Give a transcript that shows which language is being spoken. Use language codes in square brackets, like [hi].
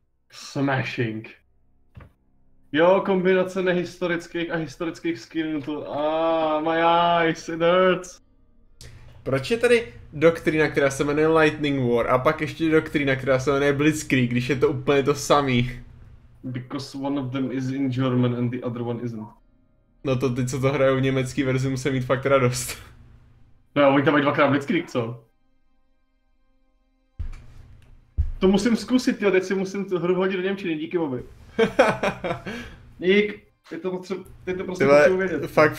[en] Smashing. [cs] Jo, kombinace nehistorických a historických skinů to. [en] My eyes, it hurts. [cs] Proč je tady doktrína, která se jmenuje Lightning War, a pak ještě doktrína, která se jmenuje Blitzkrieg, když je to úplně to samý? [en] Because one of them is in German and the other one isn't. [cs] No to ty, co to hrajou v německý verzi, musí mít fakt radost. No jo, oni tam mají dvakrát Blitzkrieg, co? To musím zkusit, jo, teď si musím hru hodit do němčiny, díky Bobby. Dík. Teď to prostě musím vědět.